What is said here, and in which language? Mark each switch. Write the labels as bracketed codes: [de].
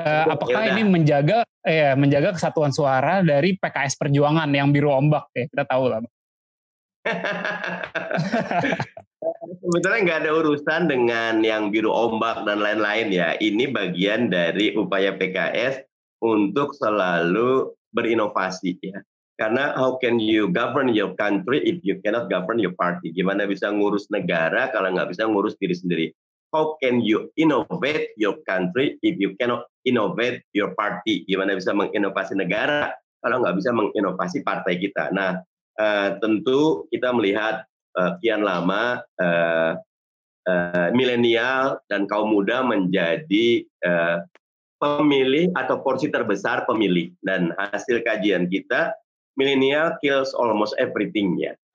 [id] Apakah ini menjaga kesatuan suara dari PKS Perjuangan yang Biru Ombak ya, kita tahu lah. Sebetulnya nggak ada urusan dengan yang Biru Ombak dan lain-lain ya. Ini bagian dari upaya PKS untuk selalu berinovasi ya. Karena [en] how can you govern your country if you cannot govern your party? [id] Gimana bisa ngurus negara kalau nggak bisa ngurus diri sendiri? [en] How can you innovate your country if you cannot innovate your party? [id] Gimana bisa menginovasi negara kalau nggak bisa menginovasi partai kita? Nah, tentu kita melihat kian lama milenial dan kaum muda menjadi pemilih atau porsi terbesar pemilih. Dan hasil kajian kita, milenial [en] kills almost everything [id] ya.